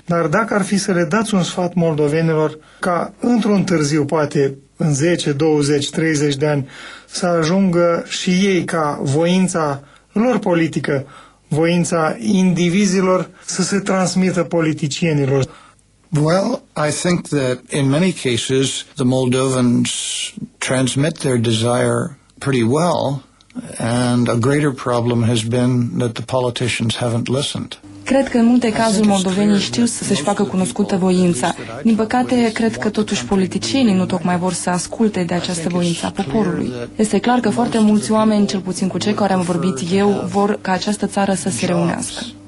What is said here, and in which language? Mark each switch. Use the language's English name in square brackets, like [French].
[Romanian] Dar dacă ar fi să le dați un sfat moldovenilor ca într-un târziu, poate în 10, 20, 30 de ani, să ajungă și ei ca voința lor politică, voința indivizilor să se transmită politicienilor. [English] Well, I think that in many cases the Moldovans transmit their desire pretty well, and a greater problem has been that the politicians haven't listened. [Romanian] Cred că în multe cazuri moldovenii știu să se facă cunoscută voința. Din păcate, cred că totuși politicienii nu tocmai vor să asculte de această voință a poporului. Este clar că foarte mulți oameni, cel puțin cu cei care am vorbit eu, vor ca această țară să se reunească.